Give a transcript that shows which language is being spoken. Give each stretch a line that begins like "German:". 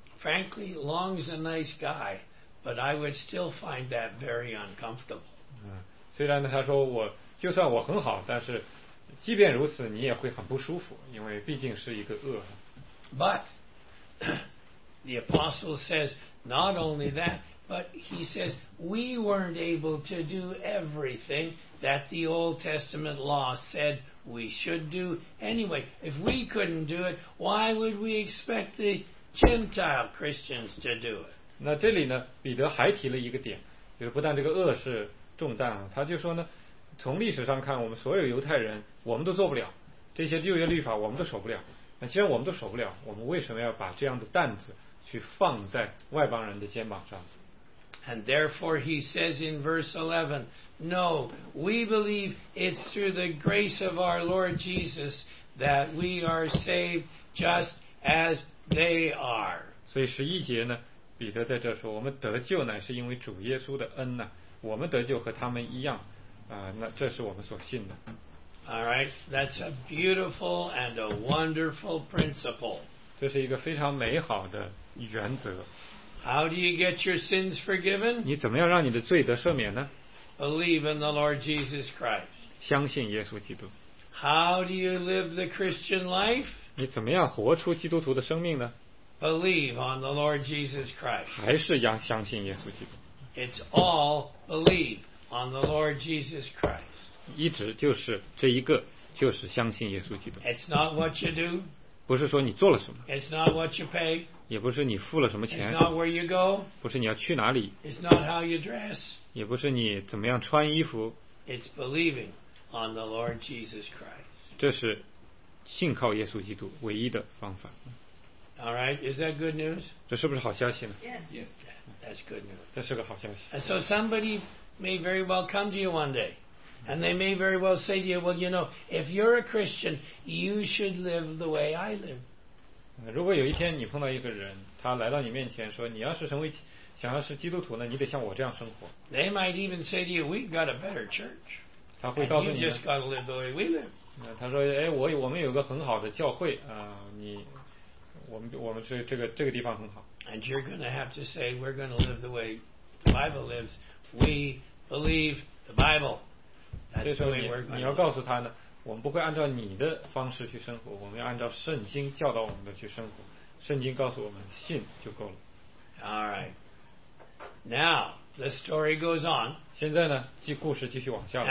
English: Frankly, Long's a nice guy, but I would still find that very uncomfortable.
Chinese: 虽然呢，他说我就算我很好，但是即便如此，你也会很不舒服，因为毕竟是一个轭。
English: But the apostle says not only that, but he says we weren't able to do everything that the Old Testament law said we should do anyway. If we couldn't do it, why would we expect the Gentile Christians to do it.
Chinese: 那这里呢，彼得还提了一个点，就是不但这个轭是重担啊，他就说呢，从历史上看，我们所有犹太人，我们都做不了这些旧约律法，我们都守不了。那既然我们都守不了，我们为什么要把这样的担子去放在外邦人的肩膀上？
English: And therefore he says in verse 11, No, we believe it's through the grace of our Lord Jesus that we are saved just as They are.
Chinese: 所以十一节呢，彼得在这说，我们得救乃是因为主耶稣的恩呢、啊。我们得救和他们一样，那这是我们所信的。
English: All right, that's a beautiful and a wonderful principle.
Chinese: 这是一个非常美好的原则。
English: How do you get your sins forgiven?
Chinese: 你怎么样让你的罪得赦免呢
English: ？Believe in the Lord Jesus Christ.
Chinese: 相信耶稣基督。
English: How do you live the Christian life?
Chinese: 你怎么样活出基督徒的生命呢？
English: Believe on the Lord Jesus Christ.
Chinese: 还是要相信耶稣基督。
English: It's all believe on the Lord Jesus Christ.
Chinese: 一直就是这一个，就是相信耶稣基督。
English: It's not what you do.
Chinese: 不是说你做了什么。
English: It's not what you pay.
Chinese: 也不是你付了什么钱。
English: It's not where you go.
Chinese: 不是你要去哪里。
English: It's not how you dress.
Chinese: 也不是你怎么样穿衣服。
English: It's believing on the Lord Jesus Christ.
Chinese: 这是信靠耶稣基督唯一的方法。
English: All right, is that good news?
Chinese: 这是不是好消息呢？
English: Yes, yes. That's good news.
Chinese: 这是个好消息。
English: And so somebody may very well come to you one day, and they may very well say to you, "Well, you know, if you're a Christian, you should live the way I live."
Chinese: 如果有一天你碰到一个人，他来到你面前说，你要是成为想要是基督徒呢，你得像我这样生活。
English: They might even say to you, "We've got a better church."
Chinese: 他会告诉你。
English: You just got to live the way we live.
Chinese: 他说，哎，我们有个很好的教会啊，你。我们是这个地方很好。
English: And you're going to have to say we're going to live the way the Bible lives. We believe the Bible. That's the way we're going to live.
Chinese: 你要告诉他呢，我们不会按照你的方式去生活，我们要按照圣经教导我们的去生活。圣经告诉我们，信就够了。
English: All right. Now the story goes on.
Chinese: 现在呢，继故事继续往下了。